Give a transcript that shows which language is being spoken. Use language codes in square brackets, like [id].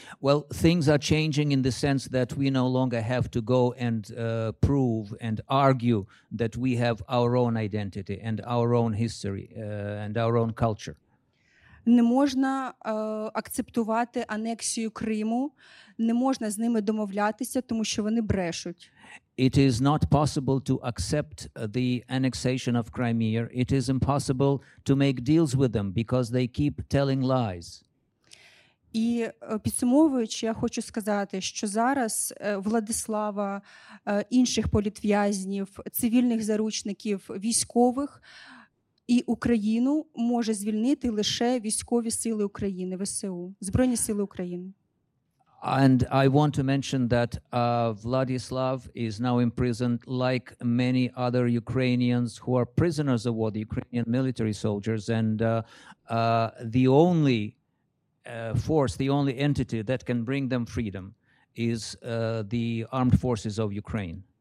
[en] Well, things are changing in the sense that we no longer have to go and prove and argue that we have our own identity and our own history and our own culture. [uk] Не можна акцептувати анексію Криму, не можна з ними домовлятися, тому що вони брешуть. [en] It is not possible to accept the annexation of Crimea. It is impossible to make deals with them because they keep telling lies. [uk] І підсумовуючи, я хочу сказати, що зараз Владислава, інших політв'язнів, цивільних заручників, військових і Україну може звільнити лише військові сили України, ВСУ, Збройні сили України. [en] And I want to mention that Vladislav is now imprisoned like many other Ukrainians who are prisoners of war, the Ukrainian military soldiers, and the only force, the only entity that can bring them freedom is the armed forces of Ukraine.